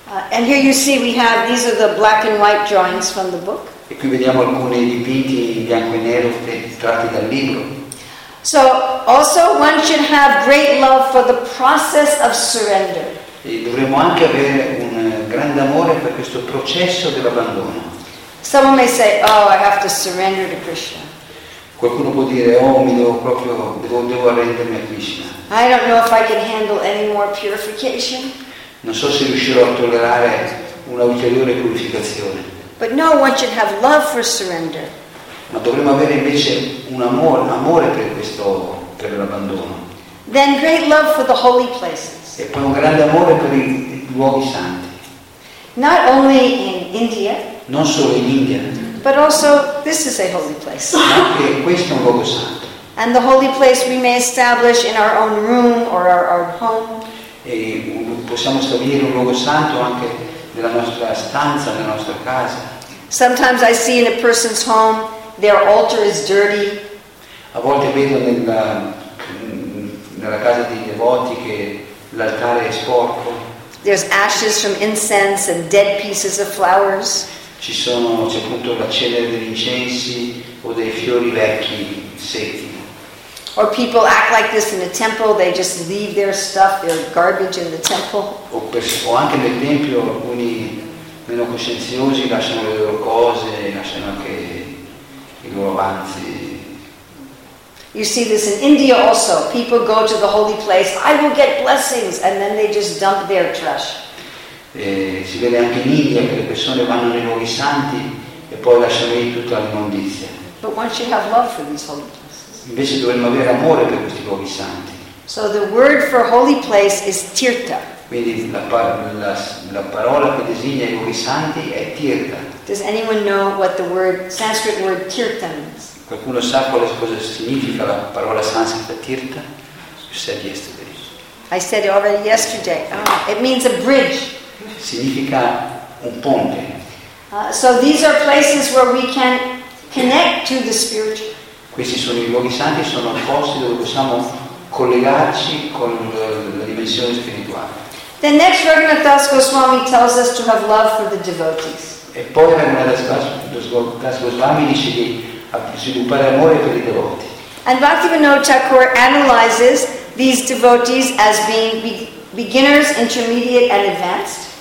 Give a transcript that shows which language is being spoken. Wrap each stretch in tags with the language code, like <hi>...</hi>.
<en>And here you see we have these are the black and white drawings from the book.</en> <it>E qui vediamo alcuni dipinti in bianco e nero tratti dal libro.</it> <en>So also one should have great love for the process of surrender.</en> <it>E dovremmo anche avere un grande amore per questo processo dell'abbandono.</it> <en>Someone may say, oh, I have to surrender to Krishna.</en> <it>Qualcuno può dire, oh, mi devo proprio devo arrendermi a Krishna.</it> <en>I don't know if I can handle any more purification.</en> <it>Non so se riuscirò a tollerare una ulteriore purificazione.</it> <en>But no, one should have love for surrender.</en> <it>Ma dovremmo avere invece un amore per questo, per l'abbandono.</it> <en>Then great love for the holy places.</en> <it>E poi un grande amore per i luoghi santi.</it> <en>Not only in India.</en> <it>Non solo in India.</it> <en>But also this is a holy place.</en> <it>Ma anche questo è un luogo santo.</it> <en>And the holy place we may establish in our own room or our own home.</en> <it>E possiamo stabilire un luogo santo anche nella nostra stanza, nella nostra casa.</it> <en>Sometimes I see in a person's home their altar is dirty.</en> <it>A volte vedo nella casa dei devoti che l'altare è sporco.</it> <en>There's ashes from incense and dead pieces of flowers.</en> <it>Ci sono, c'è appunto la cenere degli incensi o dei fiori vecchi secchi.</it> <en>Or people act like this in the temple, they just leave their stuff, their garbage in the temple.</en> <it>O anche nel tempio alcuni meno coscienziosi lasciano le loro cose, lasciano anche i loro avanzi.</it> <en>You see this in India also. People go to the holy place, I will get blessings, and then they just dump their trash.</en> <it>Si vede anche in India che le persone vanno nei luoghi santi e poi lasciano lì tutta l'immondizia.</it> <en>But once you have love for these holy places.</en> <it>Invece dovremmo avere amore per questi luoghi santi.</it> <en>So the word for holy place is tirtha.</en> <it>Quindi la parola che designa i luoghi santi è tirtha.</it> <en>Does anyone know what the word Sanskrit word tirtha means?</en> <it>Qualcuno sa cosa significa la parola sanscrita tirtha?</it> <en>You said yesterday. I said it already yesterday. Oh, it means a bridge.</en> <it>Significa un ponte.</it> <en>So these are places where we can connect to the spiritual.</en> <it>Questi sono i luoghi santi, sono posti dove possiamo collegarci con la dimensione spirituale.</it> <en>The next Raghunath Das Goswami tells us to have love for the devotees.</en> <it>E poi Raghunath Das Goswami dice di sviluppare amore per i devoti.</it> <en>And Bhaktivinoda Thakur analyzes these devotees as being beginners, intermediate and advanced.</en>